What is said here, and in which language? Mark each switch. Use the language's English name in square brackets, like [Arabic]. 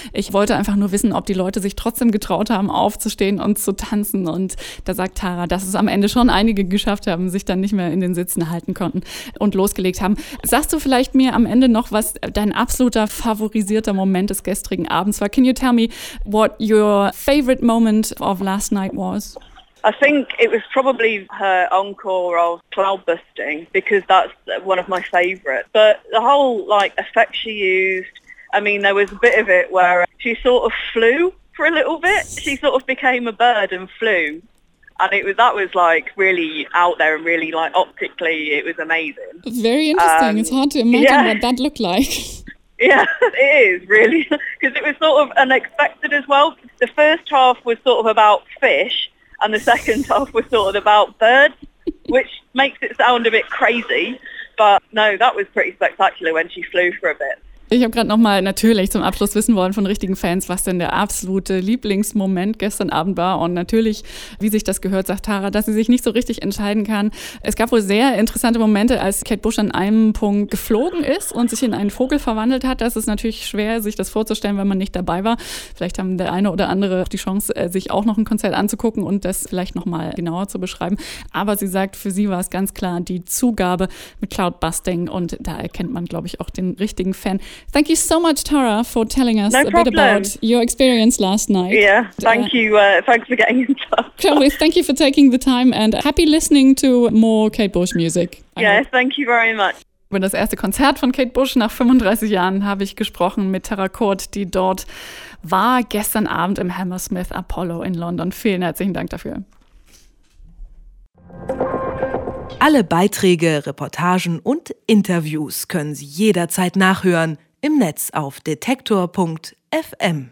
[German] Ich wollte einfach nur wissen, ob die Leute sich trotzdem getraut haben, aufzustehen und zu tanzen. Und da sagt Tara, dass es am Ende schon einige geschafft haben, sich dann nicht mehr in den Sitzen halten konnten und losgelegt haben. Sagst du vielleicht mir am Ende noch, was dein absoluter favorisierter Moment des gestrigen Abends? [English] So can you tell me what your favorite moment of last night was? I think it was probably her encore of Cloud Busting because that's one of my favorites. But the whole like effect she used, I mean, there was a bit of it where she sort of flew for a little bit. She sort of became a bird and flew. And that was like really out there and really like optically, it was amazing. Very interesting. It's hard to imagine what that looked like. Yeah, it is really, because it was sort of unexpected as well. The first half was sort of about fish and the second half was sort of about birds, which makes it sound a bit crazy. But no, that was pretty spectacular when she flew for a bit. [German] Ich habe gerade nochmal natürlich zum Abschluss wissen wollen von richtigen Fans, was denn der absolute Lieblingsmoment gestern Abend war. Und natürlich, wie sich das gehört, sagt Tara, dass sie sich nicht so richtig entscheiden kann. Es gab wohl sehr interessante Momente, als Kate Bush an einem Punkt geflogen ist und sich in einen Vogel verwandelt hat. Das ist natürlich schwer, sich das vorzustellen, wenn man nicht dabei war. Vielleicht haben der eine oder andere die Chance, sich auch noch ein Konzert anzugucken und das vielleicht nochmal genauer zu beschreiben. Aber sie sagt, für sie war es ganz klar die Zugabe mit Cloud Busting. Und da erkennt man, glaube ich, auch den richtigen Fan. [English] Thank you so much, Tara, for telling us bit about your experience last night. Yeah, thank you. Thanks for getting in touch. Chloe, thank you for taking the time and happy listening to more Kate Bush music. Yeah, thank you very much. [German] Über das erste Konzert von Kate Bush nach 35 Jahren habe ich gesprochen mit Tara Kurt, die dort war gestern Abend im Hammersmith Apollo in London. Vielen herzlichen Dank dafür. Alle Beiträge, Reportagen und Interviews können Sie jederzeit nachhören im Netz auf detektor.fm.